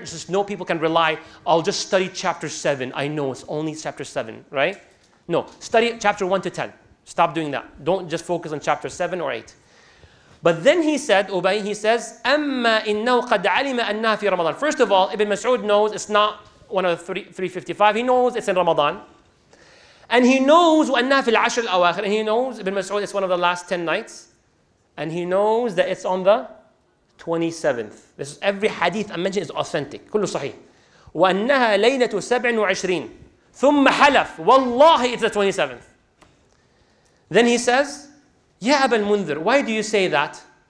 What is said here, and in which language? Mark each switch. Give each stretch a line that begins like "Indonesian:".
English: Just no people can rely. I'll just study chapter 7. I know it's only chapter 7, right? No, study chapter 1 to 10. Stop doing that. Don't just focus on chapter 7 or 8. But then he said, Ubay, he says,
Arabic: أَمَّا إِنَّهُ قَدْ عَلِمَ أَنَّهَا فِي رَمَضَانَ.
English: First of all, Ibn Mas'ud knows it's not one of the 355. He knows it's in Ramadan. And he knows
Arabic: وَأَنَّهَا فِي الْعَشْرِ الْأَوَاخِرِ.
English: And he knows Ibn Mas'ud is one of the last 10 nights. And he knows that it's on the 27th. This is every hadith I'm mentioning is authentic.
Arabic: كله صحيح. وَأَنَّهَا لَيْنَةُ 27. ثم حلف والله
English: it's the 27th. Then he says, Ya Aba al-Mundhir, why do you say that?